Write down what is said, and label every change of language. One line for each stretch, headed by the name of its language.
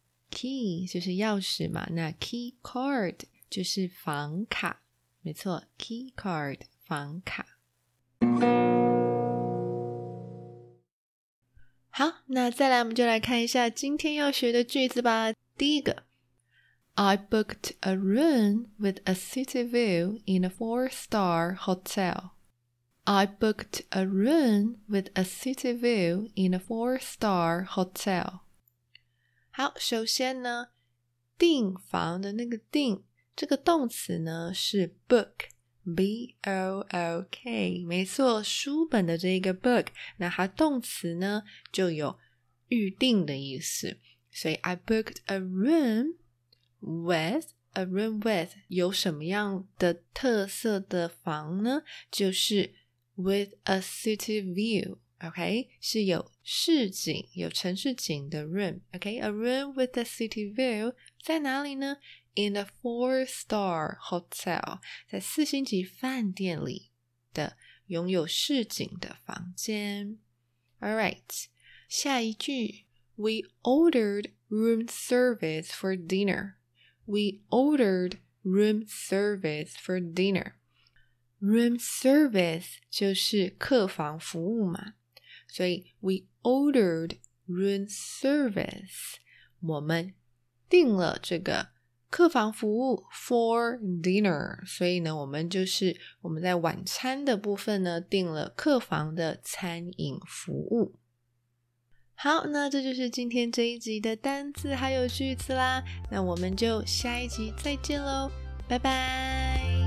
Chinese: Key 就是钥匙嘛，那 key card就是房卡，没错 ,key card, 房卡。好，那再来我们就来看一下今天要学的句子吧。
English: 第一个 ,I booked a room with a city view in a four-star hotel. I booked a room with a city view in a four-star hotel.
Chinese: 好，首先呢，订房的那个订，这个动词呢是 book, B-O-O-K, 没错，书本的这个 book, 那它动词呢就有预定的意思。所以 I booked a room with, a room with, 有什么样的特色的房呢？
English: 就是 with a city view, OK?
Chinese: 是有市景，有城市景的 room, OK?
English: A room with a city view 在哪里呢？
Chinese: In a four-star hotel, 在四星级饭店里的拥有市井的房间。 Alright, 下一句,
English: We ordered room service for dinner. We ordered room service for dinner.
Chinese: Room service 就是客房服务嘛。
English: 所以 we ordered room service.
Chinese: 我们订了这个客房服务 for dinner. 所以呢我们在晚餐的部分呢订了客房的餐饮服务。好，那这就是今天这一集的单字还有句子啦。那我们就下一集再见咯。拜拜。